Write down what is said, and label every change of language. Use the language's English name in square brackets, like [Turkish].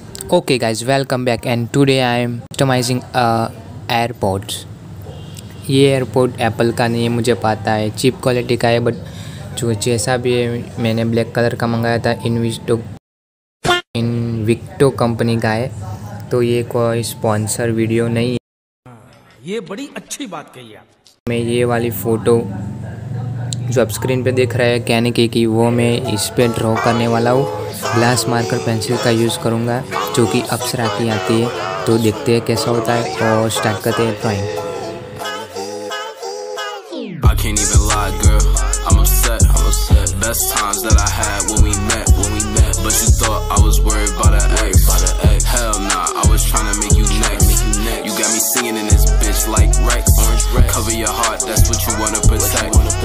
[English] Okay guys, welcome back, and today I am customizing a airpods. [Hindi] ये एयरपोड Apple का नहीं है, मुझे पता है चीप क्वालिटी का है, बट जो जैसा भी है मैंने ब्लैक कलर का मंगाया था, इन विक्टो कंपनी का है, तो ये कोई स्पॉन्सर वीडियो नहीं है। ये बड़ी अच्छी बात कही आप। मैं ये वाली फ़ोटो जो आप स्क्रीन पे देख रहे हैं कैनिके की, वो मैं इस पर ड्रॉ करने वाला हूँ। ग्लास मार्कर पेंसिल का यूज़ करूँगा जो कि अप्सरा की आती है, तो देखते हैं कैसा होता है और स्टार्ट करते हैं drawing. [English] Can't even lie, girl, I'm upset. Best times that I had when we met. But you thought I was worried about an ex. Hell nah, I was trying to make you next. You got me singing in this bitch like Rex. Orange Rex. Cover your heart, that's what you wanna protect.